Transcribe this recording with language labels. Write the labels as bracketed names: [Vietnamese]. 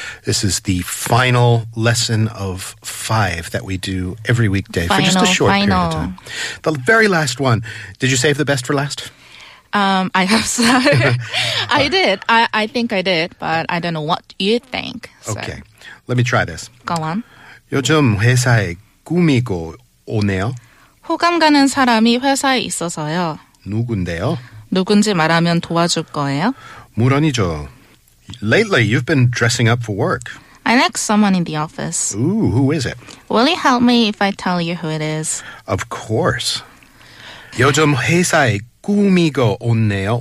[English] This is the final lesson of five that we do every weekday final, for just a short final. Period of time. The very last one. Did you save the best for last? I hope so. I did. I think I did, but I don't know what you think. So. Okay. Let me try this. Go on. [Korean] 요즘 회사에 꾸미고 오네요. 호감 가는 사람이 회사에 있어서요. 누군데요? 누군지 말하면 도와줄 거예요? 물론이죠. [English] Lately, you've been dressing up for work. I like someone in the office. Ooh, who is it? Will you help me if I tell you who it is? Of course. [Korean] 요즘 회사에 꾸미고 온네요.